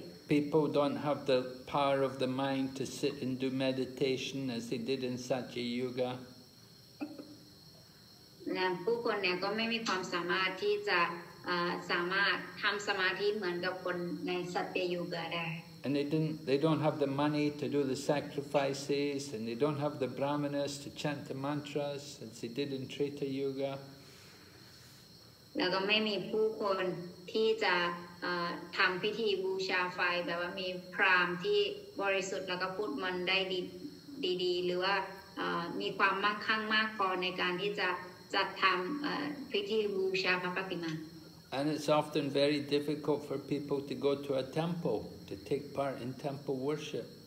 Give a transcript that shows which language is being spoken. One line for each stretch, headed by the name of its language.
English: People don't have the power of the mind to sit and do meditation as they did in Satya Yuga.
Thai: ผู้คนเนี่ยก็ไม่มีความสามารถที่จะสามารถทำสมาธิเหมือนกับคนในสัตยยุคได้
English: and they don't have the money to do the sacrifices, and they don't have the brahmanas to chant the mantras as they did in Treta Yuga. And it's often very difficult for people to go to a temple, to take part in temple worship.